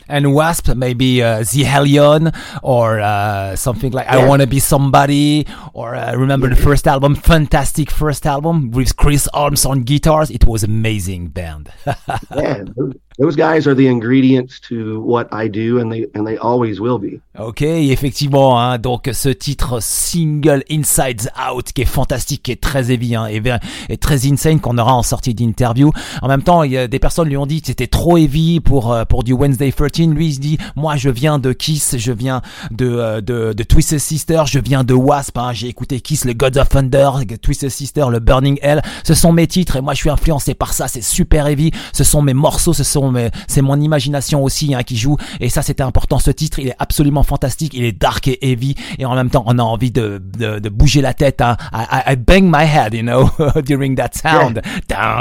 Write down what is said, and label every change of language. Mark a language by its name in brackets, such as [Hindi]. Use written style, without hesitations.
[English] And Wasp, maybe the Hellion or something like yeah. I Want to Be Somebody. Or remember the first album, fantastic first album with Chris Holmes on guitars. It was amazing band. Yeah. Those guys are the ingredients to what I do, and they always will be. [French] Ok, effectivement, hein, donc ce titre single Insides Out qui est fantastique, qui est très heavy hein, et très insane qu'on aura en sortie d'interview. En même temps, des personnes lui ont dit que c'était trop heavy pour du Wednesday 13. Lui, il se dit, moi je viens de Kiss, je viens de Twisted Sister, je viens de Wasp, hein, j'ai écouté Kiss, le Gods of Thunder, Twisted Sister, le Burning Hell. Ce sont mes titres et moi je suis influencé par ça, c'est super heavy, ce sont mes morceaux, c'est mon imagination aussi hein, qui joue et ça c'était important. Ce titre il est absolument fantastique, il est dark et heavy et en même temps on a envie de bouger la tête hein. [English] I bang my head you know during that sound yeah.